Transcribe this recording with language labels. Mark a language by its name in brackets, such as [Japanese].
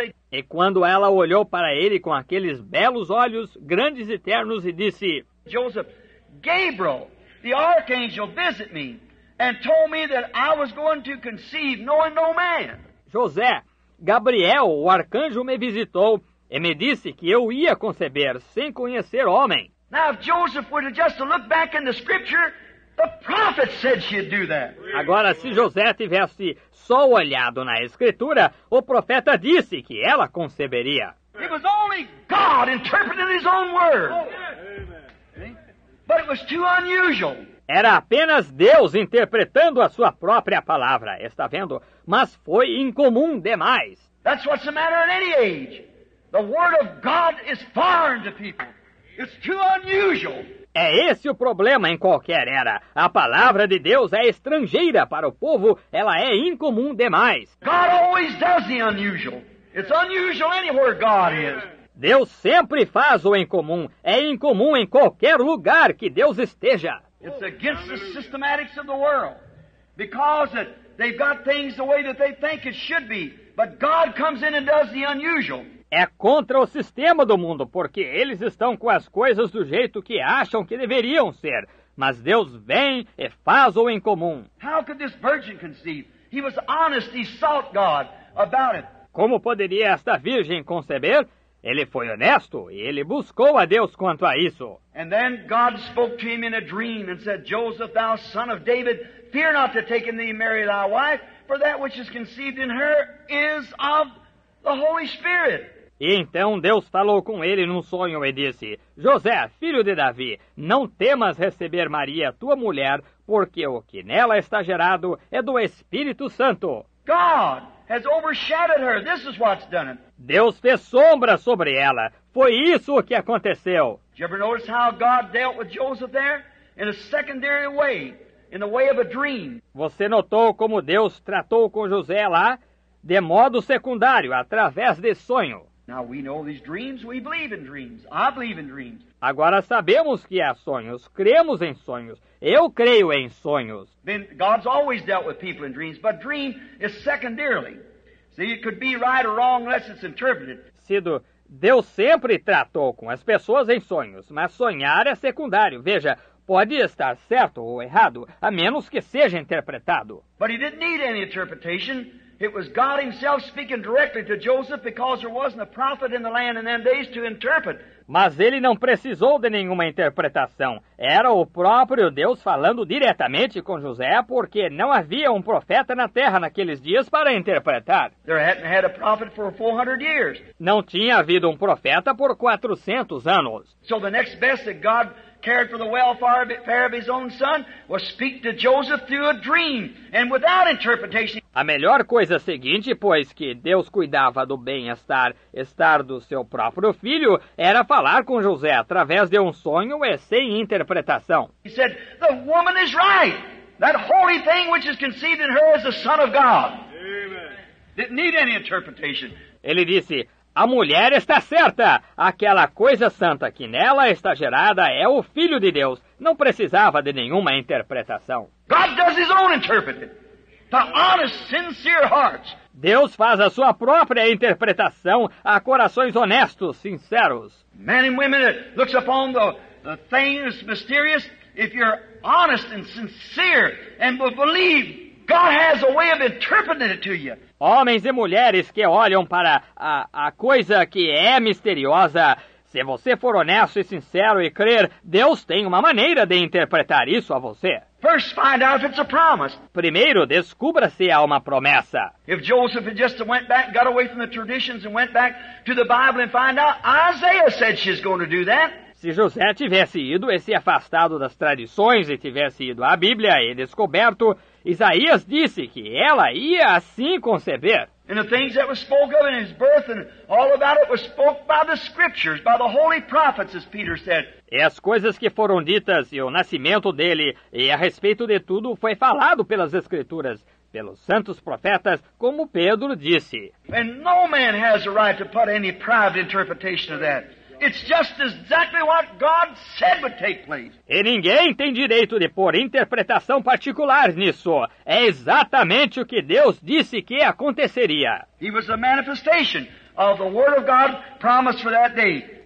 [Portuguese] E quando ela olhou para ele com aqueles belos olhos, grandes e ternos, e disse: [English] Joseph, Gabriel, the archangel, visit me and told me that I was going to conceive knowing no man. [Portuguese] José, Gabriel, o arcanjo, me visitou e me disse que eu ia conceber sem conhecer homem. [English] Now, if Joseph were to just look back in the scripture, the prophet said she'd do that. [Portuguese] Agora, se José tivesse só olhado na escritura, o profeta disse que ela conceberia. [English] It was only God interpreting his own word. But it was too unusual. [Portuguese] Era apenas Deus interpretando a sua própria palavra, está vendo? Mas foi incomum demais. [English] That's what's the matter at any age. The word of God is foreign to people. It's too unusual. [Portuguese] É esse o problema em qualquer era. A palavra de Deus é estrangeira para o povo. Ela é incomum demais. [English] God always does the unusual. It's unusual anywhere God is. [Portuguese] Deus sempre faz o incomum. É incomum em qualquer lugar que Deus esteja. [English] It's against the systematics of the world. Because they've got things the way that they think it should be. But God comes in and does the unusual. [Portuguese] É contra o sistema do mundo, porque eles estão com as coisas do jeito que acham que deveriam ser. Mas Deus vem e faz o incomum. [English] How could this virgin conceive? He was honest, he sought God about it. [Portuguese] Como poderia esta virgem conceber? Ele foi honesto e ele buscou a Deus quanto a isso. [English] And then God spoke to him in a dream and said, Joseph, thou son of David, fear not to take in thee Mary thy wife, for that which is conceived in her is of the Holy Spirit. [Portuguese] E então Deus falou com ele num sonho e disse: José, filho de Davi, não temas receber Maria, tua mulher, porque o que nela está gerado é do Espírito Santo. [English] God has overshadowed her. This is what's done. [Portuguese] Deus fez sombra sobre ela. Foi isso o que aconteceu. [English] Did you ever notice how God dealt with Joseph there in a secondary way, in the way of a dream? [Portuguese] Você notou como Deus tratou com José lá? De modo secundário, através de sonho. [English] Now we know these dreams, we believe in dreams. I believe in dreams. [Portuguese] Agora sabemos que há sonhos, cremos em sonhos. Eu creio em sonhos. [English] Then God's always dealt with people in dreams, but dream is secondarily. See, it could be right or wrong unless it's interpreted. [Portuguese] Sido, Deus sempre tratou com as pessoas em sonhos, mas sonhar é secundário. Veja, pode estar certo ou errado, a menos que seja interpretado. [English] But he didn't need any interpretation. It was God himself speaking directly to Joseph because there wasn't a prophet in the land in them days to interpret. [Portuguese] Mas ele não precisou de nenhuma interpretação. Era o próprio Deus falando diretamente com José porque não havia profeta na terra naqueles dias para interpretar. [English] There hadn't had a prophet for 400 years. [Portuguese] Não tinha havido profeta por 400 anos. [English] So the next best that God cared for the welfare of his own son was speak to Joseph through a dream and without interpretation. [Portuguese] A melhor coisa seguinte, pois que Deus cuidava do bem-estar do seu próprio filho, era falar com José através de sonho e sem interpretação. [English] He said, the woman is right. That holy thing which is conceived in her is the Son of God. Amen. Didn't need any interpretation. [Portuguese] Ele disse, a mulher está certa. Aquela coisa santa que nela está gerada é o Filho de Deus. Não precisava de nenhuma interpretação. [English] God does his own interpreting. The honest, sincere hearts. [Portuguese] Deus faz a sua própria interpretação a corações honestos, sinceros. [English] Men and women that looks upon the things mysterious, if you're honest and sincere and believe, God has a way of interpreting it to you. [Portuguese] Homens e mulheres que olham para a coisa que é misteriosa, se você for honesto e sincero e crer, Deus tem uma maneira de interpretar isso a você. [English] First find out if it's a promise. [Portuguese] Primeiro, descubra se há uma promessa. [English] If Joseph had just went back, got away from the traditions and went back to the Bible and find out, Isaiah said she's going to do that. [Portuguese] Se José tivesse ido e se afastado das tradições e tivesse ido à Bíblia e descoberto, Isaías disse que ela ia assim conceber. [English] And the things that were spoken of in his birth and all about it were spoken by the scriptures, by the holy prophets, as Peter said. [Portuguese] E as coisas que foram ditas e o nascimento dele e a respeito de tudo foi falado pelas escrituras, pelos santos profetas, como Pedro disse. [English] And no man has the right to put any private interpretation of that. It's just exactly what God said would take place. [Portuguese] E ninguém tem direito de pôr interpretação particular nisso. É exatamente o que Deus disse que aconteceria. [English] He was a manifestation of the word of God promised for that day.